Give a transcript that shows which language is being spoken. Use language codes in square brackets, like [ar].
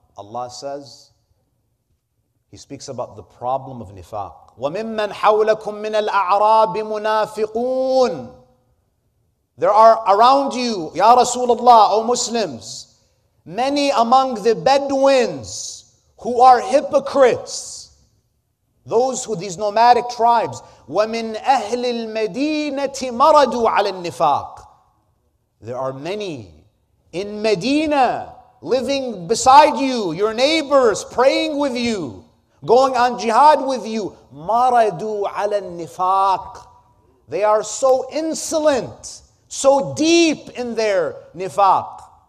[en] Allah says, he speaks about the problem of nifaq. [ar] وَمِمَّنْ حَوْلَكُمْ مِنَ الْأَعْرَابِ مُنَافِقُونَ. [en] There are around you, Ya Rasulullah, O Muslims, many among the Bedouins who are hypocrites. These nomadic tribes. [ar] وَمِنْ أَهْلِ الْمَدِينَةِ مَرَدُوا عَلَى النِّفَاقِ. [en] There are many in Medina living beside you, your neighbors, praying with you, going on jihad with you. [ar] Maradu ala nifaq. [en] They are so insolent, so deep in their nifaq.